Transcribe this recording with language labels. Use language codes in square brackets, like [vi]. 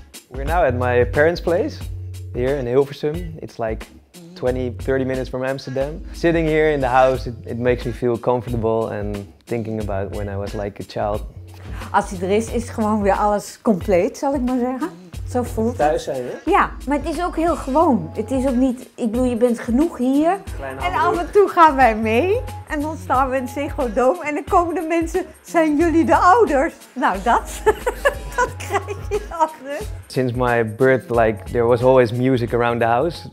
[en] We're now at my parents' place here in Hilversum. It's like 20, 30 minutes from Amsterdam. Sitting here in the house, it makes me feel comfortable and thinking about when I was like a child. [nl] Als hij er is, is gewoon weer alles compleet, zal ik maar zeggen. Zo voelt het. Thuis zijn, hè? Ja, maar het is ook heel gewoon. Het is ook niet, ik bedoel, je bent genoeg hier. En af en toe gaan wij mee. En dan staan we in het Ziggo-Dome. En dan komen de mensen, zijn jullie de ouders? Nou, dat krijg je altijd. [en] Sinds my birth, like, there was always music around the house.